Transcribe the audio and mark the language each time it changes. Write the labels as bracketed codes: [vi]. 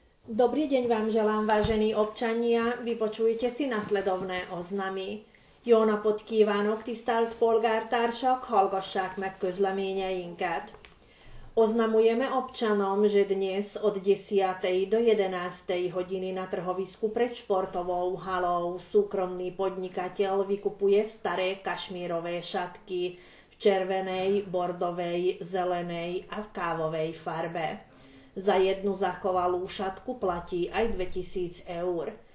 [sk] Dobrý deň vám želám, vážení občania. Vypočujte si nasledovné oznamy. [hu] Jó napot kívánok, tisztelt polgártársak, hallgassák meg közleményeinket. [sk] Oznamujeme občanom, že dnes od 10. do 11. hodiny na trhovisku pred športovou halou súkromný podnikateľ vykupuje staré kašmírové šatky v červenej, bordovej, zelenej a v kávovej farbe. Za jednu zachovalú šatku platí aj 2000 eur.